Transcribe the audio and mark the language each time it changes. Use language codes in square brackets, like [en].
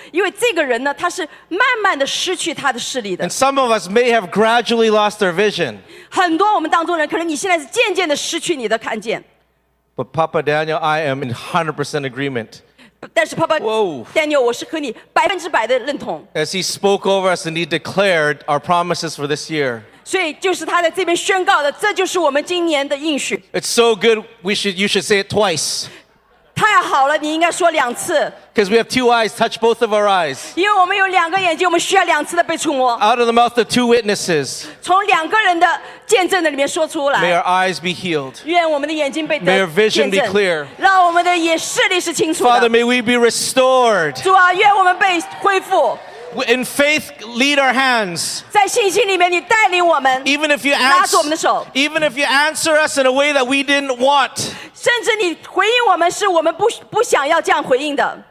[zh] 因为这个他看到这个树，因为这个人呢，他是慢慢的失去他的视力的。 [en] And some of us may have gradually lost their vision. [zh] 很多我们当中人，可能你现在是渐渐的失去你的看见。 [en] But Papa Daniel, I am in 100% agreement. [zh] 但是Papa Daniel，我是和你100%的认同。 [en] As he spoke over us and he declared our promises for this year. [zh] 所以就是他在这边宣告的，这就是我们今年的应许。 [en] It's so good. You should say it twice. [zh] 太好了，你应该说两次。 [en] Because we have 2 eyes, touch both of our eyes. [zh] 因为我们有两个眼睛，我们需要两次的被触摸。 [en] Out of the mouth of 2 witnesses. [zh] 从两个人的见证的里面说出来。 [en] May our eyes be healed. [zh] 愿我们的眼睛被得见证。 [en] May our vision be clear. [zh] 让我们的视力是清楚的。 [en] Father, may we be restored. [zh] 主啊，愿我们被恢复。 [en] In faith, lead our hands. [zh] 在信心里面你带领我们, [en] even if you answer us in a way that we didn't want, [zh] 甚至你回应我们是我们不想要这样回应的,